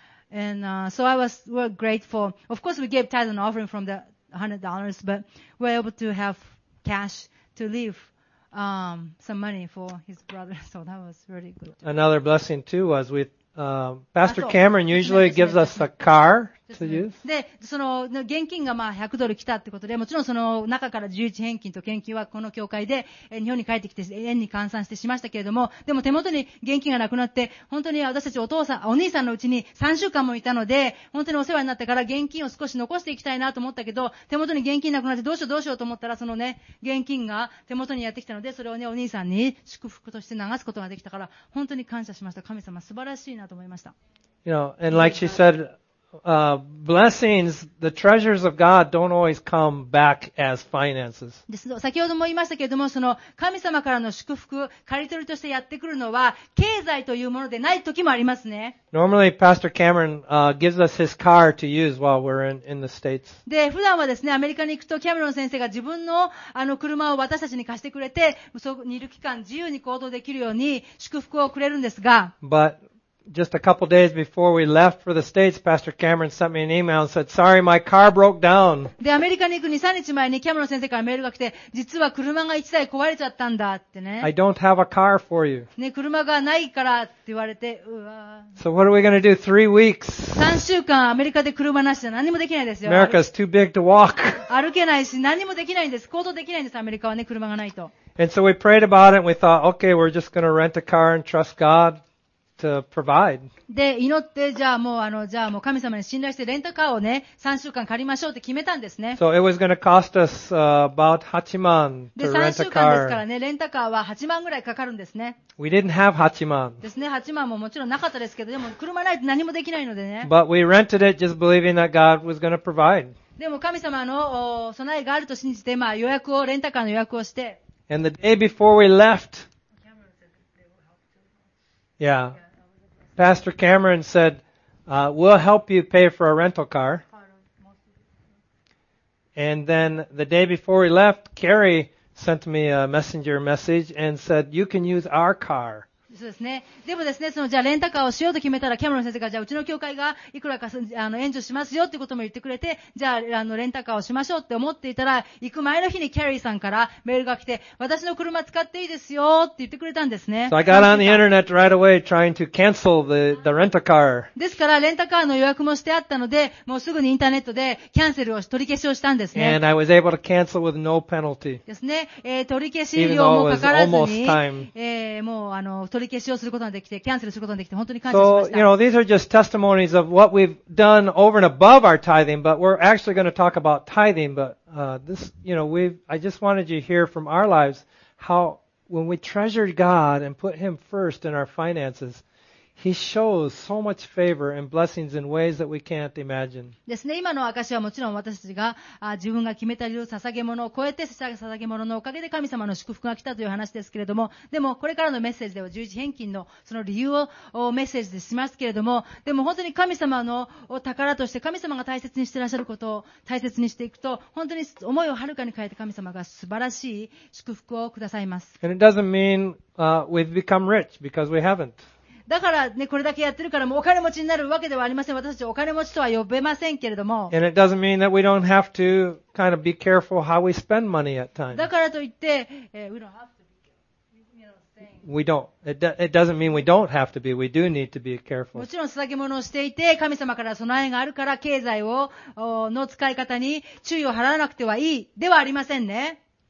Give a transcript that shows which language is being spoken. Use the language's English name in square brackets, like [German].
[English] And, so I was, we're grateful. Of course, we gave tithe and offering from the $100, but we're able to have cash to leave. Some money for his brother, so that was really good. Another blessing too was with, Pastor Cameron usually gives us a car [Japanese] で、その現金がまあ100ドル来たってことで、もちろんその中から11返金と献金はこの教会で日本に帰ってきて円に換算してしましたけれども、でも手元に現金がなくなって、本当に私たちお父さん、お兄さんのうちに3週間もいたので、本当にお世話になったから現金を少し残していきたいなと思ったけど、手元に現金なくなってどうしようどうしようと思ったら、そのね、現金が手元にやってきたので、それをね、お兄さんに祝福として流すことができたから、本当に感謝しました。神様、素晴らしいなと思いました。 [English] You know, and like she said,blessings, the treasures of God don't always come back as finances. [Japanese] 先ほども言いましたけれども、その神様からの祝福、借り取りとしてやってくるのは経済というものでない時もありますね。 [English] Normally, Pastor Cameron, gives us his car to use while we're in the States. [Japanese] で、普段はですね、アメリカに行くとキャメロン先生が自分のあの車を私たちに貸してくれて、そこにいる期間自由に行動できるように祝福をくれるんですが、 [English] But,Just a couple days before we left for the States, Pastor Cameron sent me an email and said, "Sorry, my car broke down." [Japanese] で、アメリカに行く2、3日前にキャメロン先生からメールが来て、実は車が1台壊れちゃったんだってね。 [English] I don't have a car for you. [Japanese] ね、車がないからって言われて、うわ。 [English] So what are we going to do? 3 weeks. [Japanese] 3週間アメリカで車なしじゃ何もできないですよ。 [English] America's too big to walk. [Japanese] 歩けないし何もできないんです。行動できないんです。アメリカはね、車がないと。 [English] And so we prayed about it and we thought, okay, we're just going to rent a car and trust God. To provide. [Japanese] で、祈って、じゃあもう、じゃあもう神様に信頼して、レンタカーをね、3週間借りましょうって決めたんですね。 [English] So it was gonna cost us, about 8万 to rent a car. [Japanese] で、3週間ですからね、レンタカーは8万ぐらいかかるんですね。 [English] We didn't have 8万。 [Japanese] ですね、8万ももちろんなかったですけど、でも車ないと何もできないのでね。 [English] But we rented it just believing that God was gonna provide. [Japanese] でも神様の備えがあると信じて、まあ予約を、レンタカーの予約をして。 [English] And the day before we left, yeah. Pastor Cameron said, we'll help you pay for a rental car. And then the day before we left, Carrie sent me a messenger message and said, you can use our car. [Japanese] そうですね。でもですね、そのじゃあレンタカーをしようと決めたら、キャメロン先生がじゃあうちの教会がいくらか援助しますよってことも言ってくれて、じゃあレンタカーをしましょうって思っていたら、行く前の日にキャリーさんからメールが来て、私の車使っていいですよって言ってくれたんですね。 [English] So I got on the internet right away trying to cancel the rental car. [Japanese] ですからレンタカーの予約もしてあったので、もうすぐにインターネットでキャンセルを取り消しをしたんですね。 [English] And I was able to cancel with no penalty. [Japanese] ですね。取り消し料もかからずに、もう取り消しをすることができて、キャンセルすることができて、本当に感謝しました。 [English] So, you know, these are just testimonies of what we've done over and above our tithing, but we're actually going to talk about tithing, but, this, you know, I just wanted you to hear from our lives how when we treasured God and put Him first in our finances,He shows so much favor and blessings in ways that we can't imagine. [Japanese] ですね、今の証はもちろん私たちが自分が決めた理由、捧げ物を超えて捧げ物のおかげで神様の祝福が来たという話ですけれども、でもこれからのメッセージでは十字返金のその理由をメッセージでしますけれども、でも本当に神様の宝として神様が大切にしていらっしゃることを大切にしていくと、本当に思いをはるかに変えて神様が素晴らしい祝福をくださいます。 [English] And it doesn't mean, we've become rich because we haven't. [Japanese] だからね、これだけやってるからもうお金持ちになるわけではありません。私たちお金持ちとは呼べませんけれども。 [English] And it doesn't mean that we don't have to kind of be careful how we spend money at times. [Japanese] だからといって、 [English] we don't have to be careful. We don't. It doesn't mean we don't have to be. We do need to be careful. [Japanese] もちろん捧げ物をしていて、神様から備えがあるから経済をの使い方に注意を払わなくてはいいではありませんね。